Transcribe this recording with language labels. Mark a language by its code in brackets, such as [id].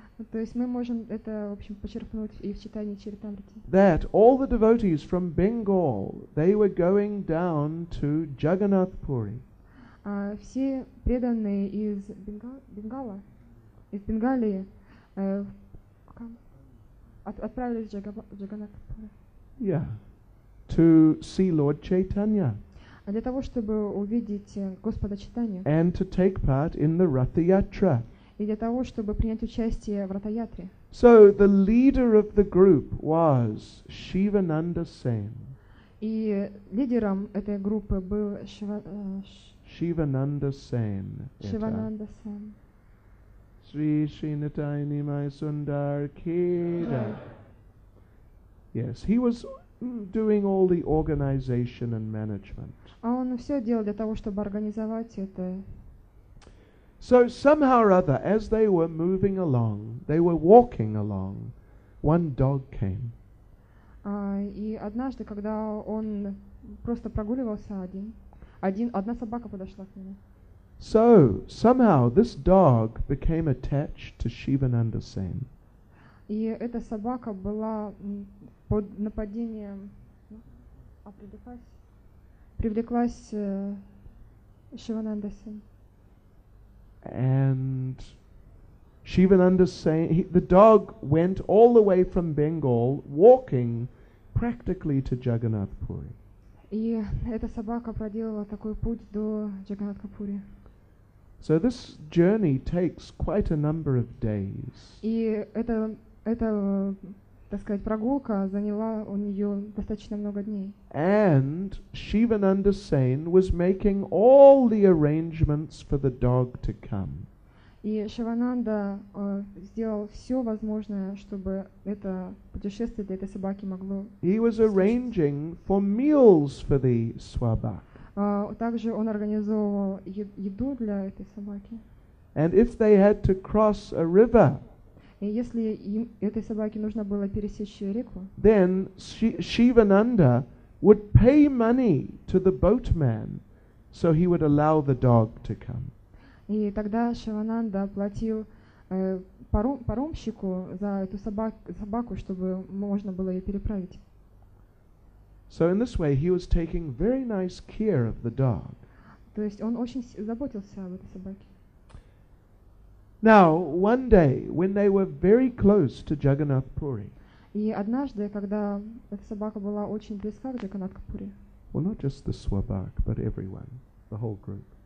[ru] То есть мы можем это, в общем, почерпнуть и в Чайтанье Чаритамрите. [en] That all the devotees from Bengal, they were going down to Jagannath Puri. [ru] Все преданные из Бенгала, из Бенгалии, отправились в Jagannath Puri. [en] Yeah, to see Lord Chaitanya. [ru] Для того, чтобы увидеть Господа Чайтанью. [en] And to take part in the Ратха-Ятра. [ru] И для того, чтобы принять участие в Ратха-Ятре. [en] So the leader of the group was Шивананда Сен. [ru] И лидером этой группы был Шивананда Сен. Шивананда Сен. Шри Шинатайни Май Сундар Кеда. [en] Yes, he was doing all the organization and management. [ru] Он все делал для того, чтобы организовать это. [en] So somehow or other, as they were moving along, they were walking along, one dog came. [ru] И однажды, когда он просто прогуливался одна собака подошла к нему. [en] So somehow this dog became attached to Шивананда Сен. [ru] И эта собака была под нападением, привлеклась Шивананда Сен. [en] And Шивананда Сен, the dog went all the way from Bengal, walking practically to Jagannath Puri. [ru] И эта собака проделала такой путь до Jagannath Puri. [en] So this journey takes quite a number of days. [ru] И это, так сказать, прогулка заняла у нее достаточно много дней. [en] And Шивананда Сен was making all the arrangements for the dog to come. [ru] И Шивананда сделал все возможное, чтобы это путешествие для этой собаки могло. [en] He was arranging for meals for the swabak. [ru] Также он организовывал еду для этой собаки. [en] And if they had to cross a river. [ru] И если этой собаке нужно было пересечь реку, [en] then Шивананда would pay money to the boatman so he would allow the dog to come. [ru] И тогда Шивананда платил паромщику за эту собаку, чтобы можно было ее переправить. [en] So in this way he was taking very nice care of the dog. [ru] То есть он очень заботился об этой собаке. [en] Now, one day, when they were very close to Jagannath Puri. [ru] И однажды, когда эта собака была очень близка к Jagannath Puri. [en] Well, not just the swabak, but everyone, the whole group.